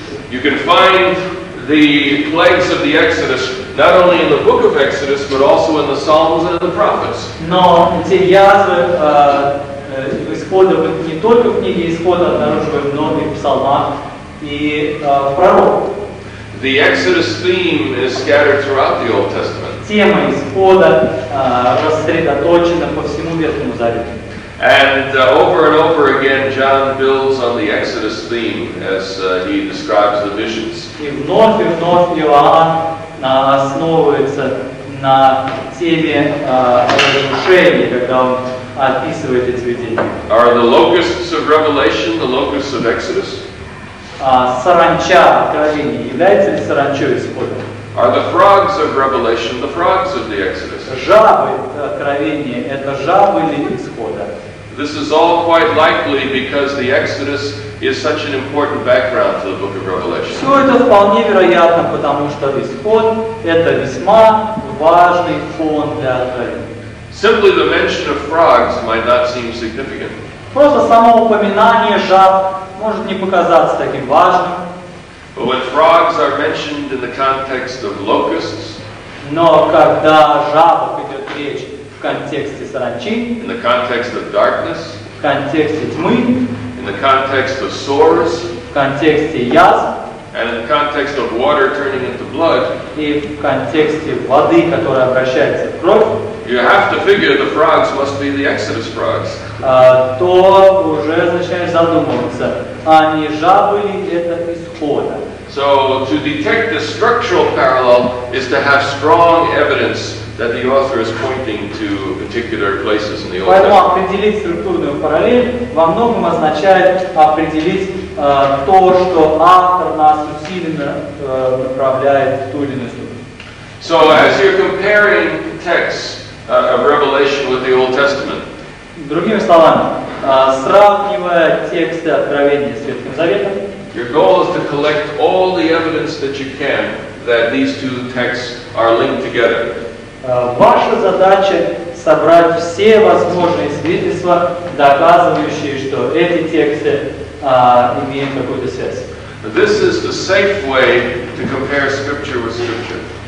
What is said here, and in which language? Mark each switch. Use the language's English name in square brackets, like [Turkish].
[English] You can find the plagues of the Exodus not only in the book of Exodus, but also in the Psalms and the Prophets. [Russian] Но эти язвы исхода не только в книге Исхода обнаруживают, но и в Псалмах и в Пророках. [English] The Exodus theme is scattered throughout the Old Testament. [Russian] Тема Исхода рассредоточена по всему Ветхому Завету. [English] And over and over again, John builds on the Exodus theme as he describes the visions. [Russian] И вновь и вновь Иоанн основывается на теме разрушения, когда он описывает эти видения. [English] Are the locusts of Revelation the locusts of Exodus? [Russian] Саранча откровения является ли саранчой Исхода? [English] Are the frogs of Revelation the frogs of the Exodus? [Russian] Жабы откровения это жабы или Исхода? [English] This is all quite likely because the Exodus is such an important background to the book of Revelation. [Russian] Все это вполне вероятно, потому что Исход — это весьма важный фон для Откровения. [English] Simply the mention of frogs might not seem significant. [Russian] Просто само упоминание жаб может не показаться таким важным. [English] But when frogs are mentioned in the context of locusts, [Russian] но когда о жабах идет речь в контексте саранчи, [English] in the context of darkness, [Russian] в контексте тьмы, [English] in the context of sores, [Russian] в контексте язв, [English] and in the context of water turning into blood, [Russian] и в контексте воды, которая обращается в кровь, [English] you have to figure the frogs must be the Exodus frogs. [Russian] То уже начинаешь задумываться, а не жабы ли это исхода? [English] So to detect the structural parallel is to have strong evidence that the author is pointing to particular places in the Old Testament. [Russian] Поэтому определить структурную параллель во многом означает определить то, что автор нас усиленно направляет в ту или иную структуру. [English] So as you're comparing texts of Revelation with the Old Testament, [Russian] другими словами, сравнивая тексты Откровения с Ветхим Заветом, [English] your goal is to collect all the evidence that you can that these two texts are linked together. [Russian] Ваша задача собрать все возможные свидетельства, доказывающие, что эти тексты имеют какую-то связь. [English] This is the safe way to compare scripture with scripture.